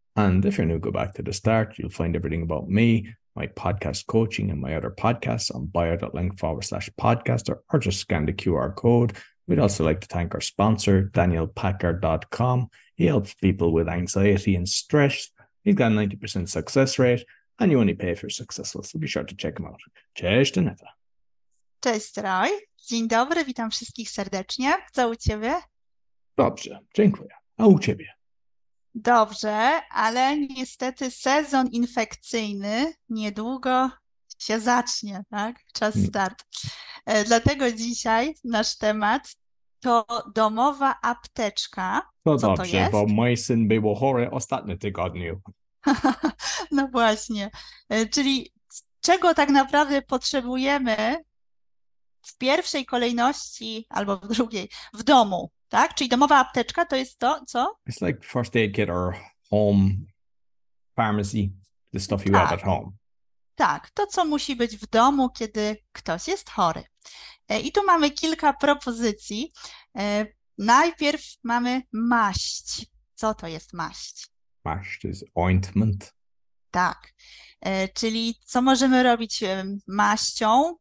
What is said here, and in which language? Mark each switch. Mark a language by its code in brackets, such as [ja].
[en] And if you're new, go back to the start. You'll find everything about me, my podcast coaching, and my other podcasts on bio.link/podcast or just scan the QR code. We'd also like to thank our sponsor, danielpacker.com. He helps people with anxiety and stress. He's got a 90% success rate. And you only pay if you're successful, so be sure to check them out. [pl] Cześć, Aneta. Cześć, Roy. Dzień dobry, witam wszystkich serdecznie. Co u ciebie? Dobrze, dziękuję. A u ciebie? Dobrze, ale niestety sezon infekcyjny niedługo się zacznie, tak? Czas start. Dlatego dzisiaj nasz temat to domowa apteczka. No dobrze, bo mój syn był chory ostatni tygodniu. No właśnie, czyli czego tak naprawdę potrzebujemy w pierwszej kolejności albo w drugiej, w domu, tak? Czyli domowa apteczka to jest to, co? [en] It's like first aid kit or home pharmacy, the stuff you have at home. [pl] Tak, to co musi być w domu, kiedy ktoś jest chory. I tu mamy kilka propozycji. Najpierw mamy maść. Co to jest maść? [en] Maść is ointment. [pl] Tak. Czyli co możemy robić maścią?